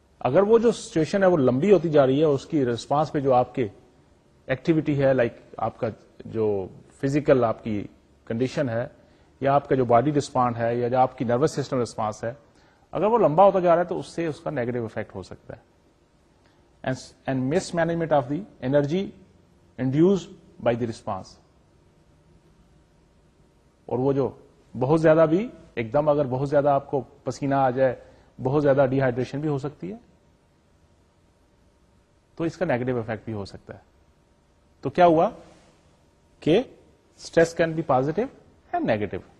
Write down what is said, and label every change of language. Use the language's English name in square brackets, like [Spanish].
[Urdu] اگر وہ جو سچویشن ہے وہ لمبی ہوتی جا رہی ہے, اس کی ریسپانس پہ جو آپ کے ایکٹیویٹی ہے, لائک آپ کا جو فزیکل آپ کی کنڈیشن ہے, یا آپ کا جو باڈی ریسپانڈ ہے, یا جو آپ کی نروس سسٹم ریسپانس ہے, اگر وہ لمبا ہوتا جا رہا ہے تو اس سے اس کا نیگیٹو افیکٹ ہو سکتا ہے. [English] And mismanagement of the energy induces by the response. [Urdu] اور وہ جو بہت زیادہ بھی ایک دم اگر بہت زیادہ آپ کو پسینہ آ جائے, بہت زیادہ ڈی ہائیڈریشن بھی ہو سکتی ہے تو اس کا نیگیٹو افیکٹ بھی ہو سکتا ہے. تو کیا ہوا کہ [English] Stress can be positive and negative.